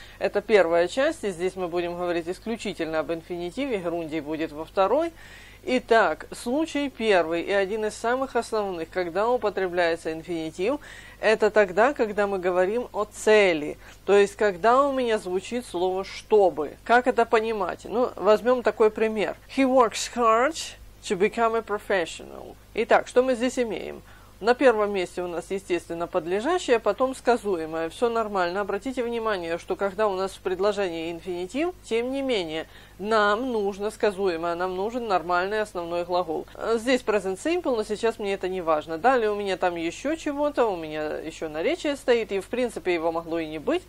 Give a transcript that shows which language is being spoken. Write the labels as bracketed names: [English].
[Russian] Это первая часть, и здесь мы будем говорить исключительно об инфинитиве, герундий будет во второй. Итак, случай первый и один из самых основных, когда употребляется инфинитив, это тогда, когда мы говорим о цели, то есть когда у меня звучит слово «чтобы». Как это понимать? Ну, возьмем такой пример. [English] He works hard to become a professional. [Russian] Итак, что мы здесь имеем? На первом месте у нас, естественно, подлежащее, потом сказуемое. Все нормально. Обратите внимание, что когда у нас в предложении инфинитив, тем не менее, нам нужно сказуемое, нам нужен нормальный основной глагол. Здесь present simple, но сейчас мне это не важно. Далее у меня там еще чего-то, у меня еще наречие стоит, и в принципе его могло и не быть.